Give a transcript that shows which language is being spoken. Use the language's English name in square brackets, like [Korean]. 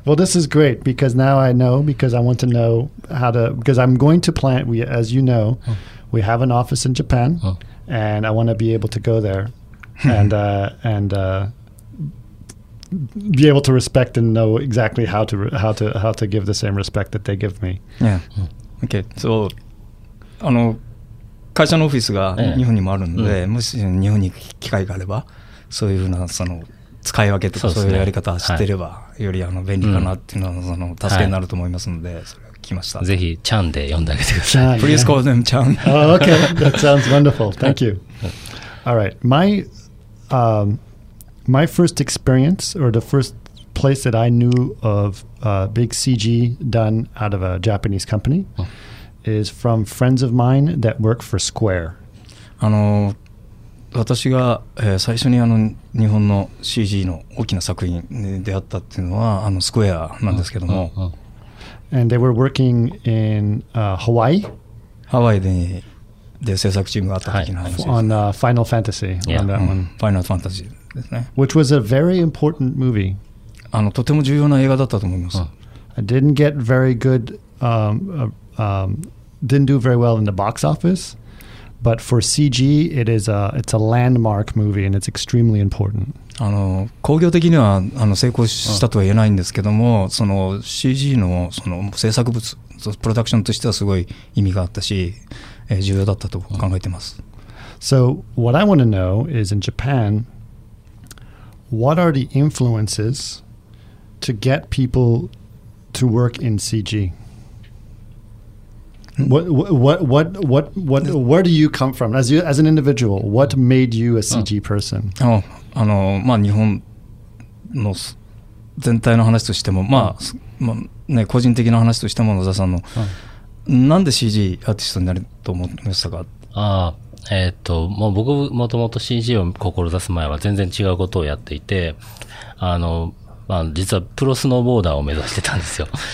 [English] Well, this is great because now I know, because I want to know how to, because I'm going to plant, as you know, we have an office in Japan, and I want to be able to go there and be able to respect and know exactly how to give the same respect that they give me. Yeah. Okay. So, [Japanese] 会社のオフィスが日本にもあるので、もし日本に機会があれば、そういうふうな、使い分けとかそういうやり方を知ってれば、ねはい、より便利かなっていうのは、助けになると思いますので、はい、それ聞きました。ぜひ、チャンで呼んであげてください。 [English] Please call them チャン。 Oh, okay. That sounds wonderful. Thank you. All right. My first experience or the first place that I knew of a big CG done out of a Japanese company is from friends of mine that work for Square. [Japanese] 私が、最初に日本の CG の大きな作品に出会ったっていうのはスクエアなんですけども、 [English] and they were working in Hawaii. [Japanese] ハワイで制作チームがあった時の話です。 [English] はい、on Final Fantasy, on that one. [Japanese] Final Fantasy ですね。 [English] Which was a very important movie. [Japanese] とても重要な映画だったと思います。 [English] I didn't get very good, didn't do very well in the box office. But for CG, it's a landmark movie, and it's extremely important. [Japanese] 工業的には成功したとは言えないんですけども、その CG の その制作物、プロダクションとしてはすごい意味があったし、重要だったと考えてます。 [English] So what I want to know is in Japan, what are the influences to get people to work in CG? What where do you come from as an individual? What made you a CG person? [Japanese] まあ日本の全体の話としても、まあ、まあね個人的な話としても野田さんの、なんで CG アーティストになると思いましたか？もう僕もともと CG を志す前は全然違うことをやっていて、まあ、実はプロスノーボーダーを目指してたんですよ。